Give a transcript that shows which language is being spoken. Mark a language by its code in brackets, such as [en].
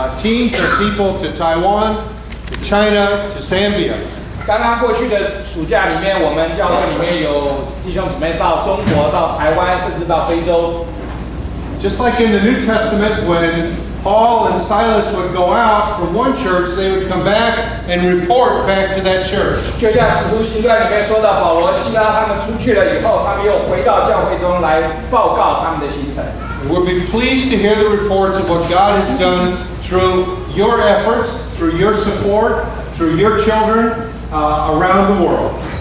[en] teams of people to Taiwan, to China, to Zambia. [zh] 刚刚过去的暑假里面, 我们教会里面有弟兄姊妹到中国, 到台湾, 甚至到非洲。 [en] Just like in the New Testament, when Paul and Silas would go out from one church, they would come back and report back to that church. [zh] 就像使徒行传里面说的, 保罗希拉他们出去了以后, 他们又回到教会中来报告他们的行程。 [en] We'll be pleased to hear the reports of what God has done through your efforts, through your support, through your children around the world.